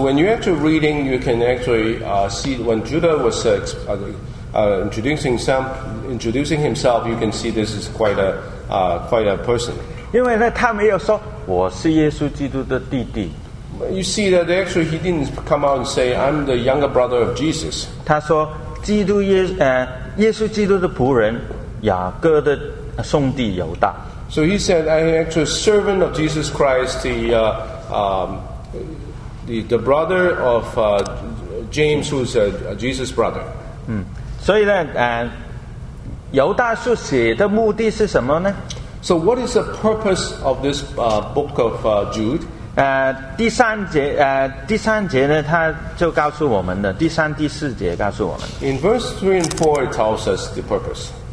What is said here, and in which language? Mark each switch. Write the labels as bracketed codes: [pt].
[en] when you're actually reading, you can actually see when Judah was introducing himself, you can see this is quite a person. [zh] 因为呢，他没有说我是耶稣基督的弟弟。 [en] You see that actually he didn't come out and say, I'm the younger brother of Jesus. [zh] 他说,耶稣基督的仆人,雅各的兄弟犹大。 [en] So he said, I am actually servant of Jesus Christ, the brother of James, who is Jesus' brother. [zh] 所以呢,犹大书写的目的是什么呢? [en] So what is the purpose of this book of Jude? [zh] 第三节呢，他就告诉我们的第三、第四节告诉我们。 [en] In verse 3 and 4, it tells us the purpose.